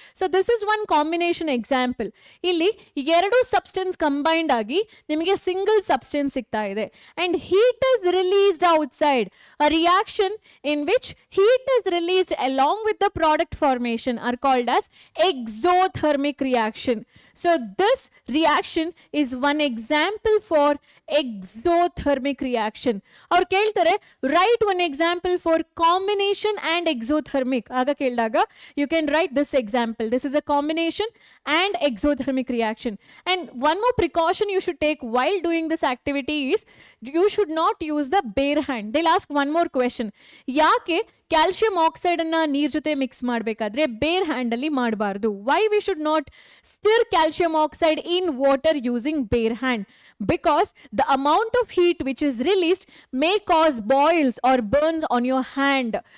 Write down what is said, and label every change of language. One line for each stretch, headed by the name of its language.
English: So this is one combination example.
Kannada: ಇಲ್ಲಿ ಎರಡು substance combined ಆಗಿ ನಿಮಗೆ ಸಿಂಗಲ್ ಸಬ್ಸ್ಟೆನ್ಸ್ ಸಿಗ್ತಾ ಇದೆ,
English: And heat is released outside. A reaction in which heat is released along with the product formation are called as exothermic reaction. So this reaction is one example for exothermic reaction.
Kannada: Aur keltare,
English: write one example for combination and exothermic.
Kannada: Aga keldaga,
English: you can write this example. This is a combination and exothermic reaction. And one more precaution you should take while doing this activity is, you should not use the bare hand. They'll ask one more question.
Kannada: Yaake calcium oxide ಅನ್ನ ನೀರ್ ಜೊತೆ mix ಮಾಡಬೇಕಾದ್ರೆ ಬೇರ್ hand ಅಲ್ಲಿ ಮಾಡಬಾರ್ದು?
English: Why we should not stir calcium oxide in water using bare hand? Because the amount of heat which is released may cause boils or burns on your hand.